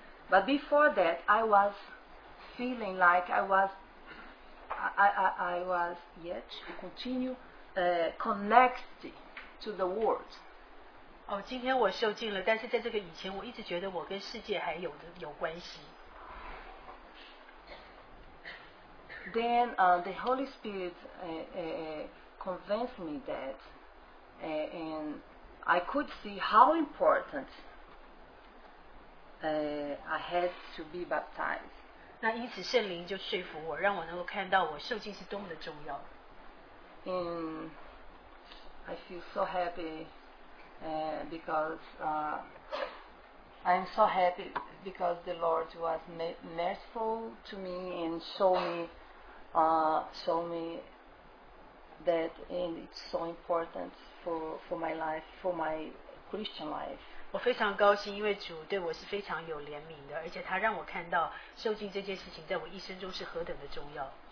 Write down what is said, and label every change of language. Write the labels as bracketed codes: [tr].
[en] But before that, I was feeling like I was yet to continue connect to the world. [zh] 哦，今天我受浸了，但是在这个以前，我一直觉得我跟世界还有的有关系。 [en] Then, the Holy Spirit convinced me that, and I could see how important I had to be baptized. [zh] 那因此圣灵就说服我，让我能够看到我受浸是多么的重要。 [en] And I feel so happy. Because I'm so happy because the Lord was merciful to me and showed me that and it's so important for my life, for my Christian life. [zh] 我非常高兴，因为主对我是非常有怜悯的，而且他让我看到受浸这件事情在我一生中是何等的重要。